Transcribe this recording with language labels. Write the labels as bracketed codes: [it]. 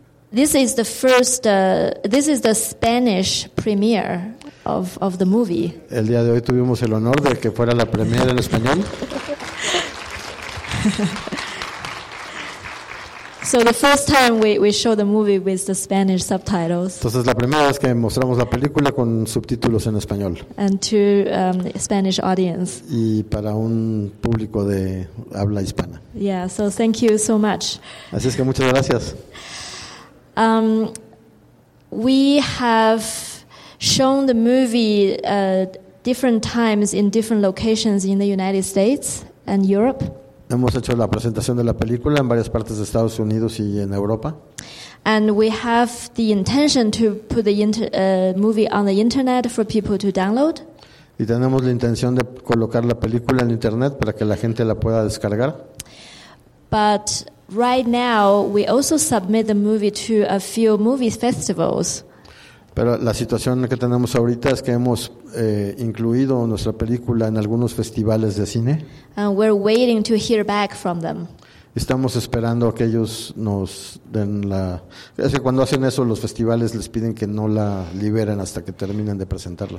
[en] This is the first, this is the Spanish premiere of the movie. [es] El día de hoy tuvimos el honor de que fuera la premiere en español. [en] So the first time we show the movie with the Spanish subtitles. [es] Entonces la primera vez que mostramos la película con subtítulos en español. [en] And to Spanish audience. [es] Y para un público de habla hispana. [en] Yeah, so thank you so much. [es] Así es que muchas gracias. [en] We have shown the movie different times in different locations in the United States and Europe. [es] Hemos hecho la presentación de la película en varias partes de Estados Unidos y en Europa. [en] And we have the intention to put the movie on the internet for people to download. [es] Y tenemos la intención de colocar la película en internet para que la gente la pueda descargar. [en] But right now we also submit the movie to a few movie festivals. [es] Pero la situación que tenemos ahorita es que hemos incluido nuestra película en algunos festivales de cine. [en] And we're waiting to hear back from them. [es] Estamos esperando a que ellos nos den la... Es que cuando hacen eso, los festivales les piden que no la liberen hasta que terminen de presentarla.